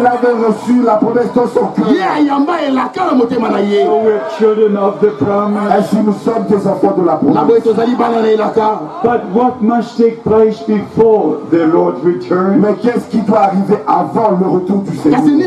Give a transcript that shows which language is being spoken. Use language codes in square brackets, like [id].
[fr] Elle avait reçu la promesse dans son cœur. [en] So we're children of the promise. [fr] Ainsi nous sommes des enfants de la promesse. [en] But what must take place before the Lord returns? [fr] Mais qu'est-ce qui doit arriver avant le retour du Seigneur?